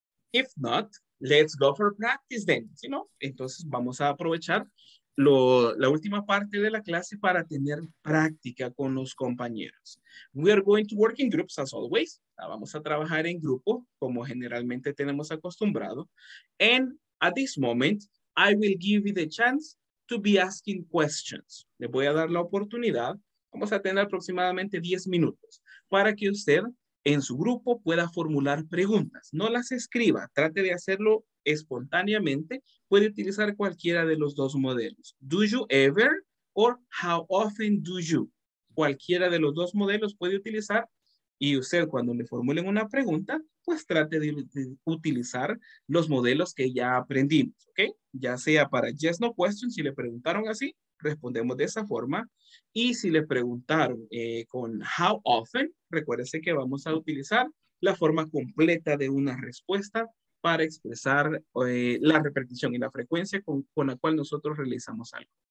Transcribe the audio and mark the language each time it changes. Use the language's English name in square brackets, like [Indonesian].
[English] If not, let's go for practice then, you know? [Spanish] Entonces vamos a aprovechar la última parte de la clase para tener práctica con los compañeros. [English] We are going to work in groups as always. [Spanish] Vamos a trabajar en grupo como generalmente tenemos acostumbrado. [English] And at this moment, I will give you the chance to be asking questions. [Spanish] Le voy a dar la oportunidad. Vamos a tener aproximadamente 10 minutos para que usted en su grupo pueda formular preguntas. No las escriba, trate de hacerlo espontáneamente. Puede utilizar cualquiera de los dos modelos. [English] Do you ever or how often do you? [Spanish] Cualquiera de los dos modelos puede utilizar. Y usted, cuando le formulen una pregunta, pues trate de utilizar los modelos que ya aprendimos, ¿ok? Ya sea para [English] yes, no question, [Spanish] si le preguntaron así, respondemos de esa forma. Y si le preguntaron con how often, recuérdese que vamos a utilizar la forma completa de una respuesta para expresar la repetición y la frecuencia con la cual nosotros realizamos algo.